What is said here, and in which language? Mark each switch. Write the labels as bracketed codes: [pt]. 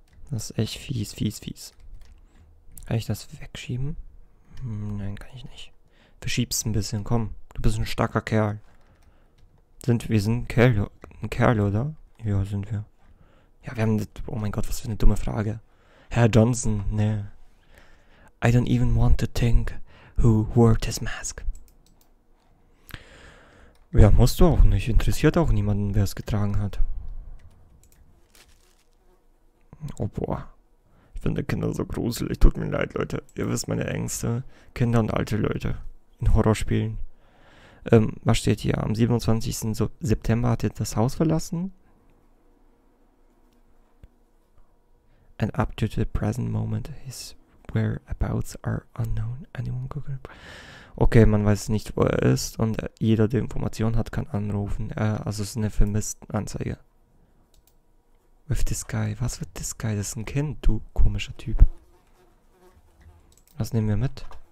[de] Das ist echt fies, fies, fies. Kann ich das wegschieben? Nein, kann ich nicht. Verschieb's ein bisschen, komm. Du bist ein starker Kerl. Wir sind ein Kerl, oder? Ja, sind wir. Ja, wir haben... Oh mein Gott, was für eine dumme Frage. [en] Herr Johnson, [de] nee. [en] I don't even want to think who wore this mask. [de] Ja, musst du auch nicht. Interessiert auch niemanden, wer es getragen hat. Oh, boah. Ich finde Kinder so gruselig. Tut mir leid, Leute. Ihr wisst meine Ängste. Kinder und alte Leute. In Horrorspielen. Was steht hier? Am 27. September hat er das Haus verlassen. [en] And up to the present moment, his whereabouts are unknown. Anyone Google? [de] Okay, man weiß nicht, wo er ist. Und jeder, der Informationen hat, kann anrufen. Also es ist eine Vermisstenanzeige. [en] With this guy. Was with this guy? [de] Das ist ein Kind, du komischer Typ. Was nehmen wir mit?